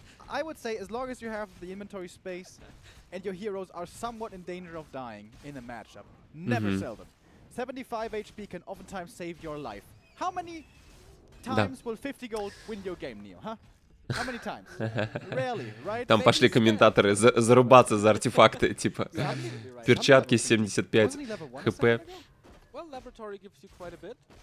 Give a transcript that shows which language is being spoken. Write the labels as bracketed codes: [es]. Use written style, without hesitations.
[en] I would say as long as you have the inventory space and your heroes are somewhat in danger of dying in a matchup, never sell them. 75 HP can oftentimes save your life. How many times will 50 gold win your game, Neil, huh? How many times? Rarely, right? [ru] Там пошли комментаторы зарубаться за артефакты, типа. Перчатки 75 хп. [en] Well, laboratory gives you quite a bit.